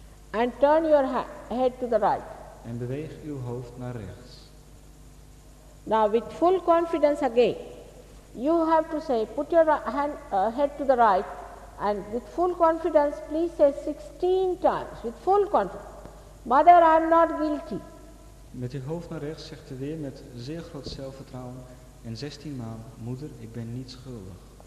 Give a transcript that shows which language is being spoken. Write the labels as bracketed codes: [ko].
[en] And turn your head to the right. [nl] En beweeg uw hoofd naar rechts. [en] Now with full confidence again, you have to say, put your head to the right. And with full confidence, please say 16 times, with full confidence. Mother, I am not guilty. [nl] Met uw hoofd naar rechts zegt u weer met zeer groot zelfvertrouwen en 16 maal, Moeder, ik ben niet schuldig.